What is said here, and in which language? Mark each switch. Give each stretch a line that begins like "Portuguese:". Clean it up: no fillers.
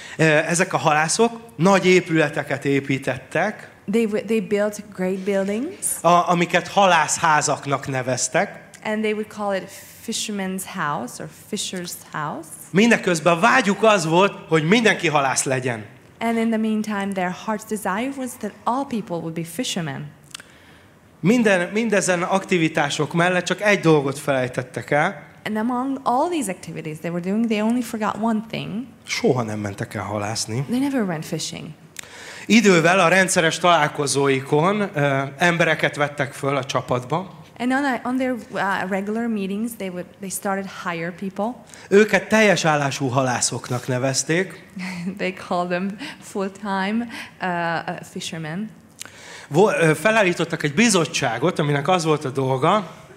Hungarian: Ezek a halászok nagy épületeket építettek.
English: They built great buildings.
Hungarian: Amiket halászházaknak neveztek.
English: And they would call it fisherman's house or fisher's house.
Hungarian: Mindeközben vágyuk az volt, hogy mindenki halász legyen.
English: And in the meantime their heart's desire was that all people would be fishermen.
Hungarian: Mindezen aktivitások mellett csak egy dolgot felejtettek el.
English: And among all these activities they were doing, they only forgot one thing.
Hungarian: Soha nem mentek el halászni.
English: They never went fishing.
Hungarian: Idővel a rendszeres találkozóikon embereket vettek föl a csapatba.
English: And on their regular meetings they started hire people.
Hungarian: Őket teljes állású halászoknak nevezték.
English: They called them full-time fishermen.
Hungarian: Felállítottak egy bizottságot, aminek az volt a dolga.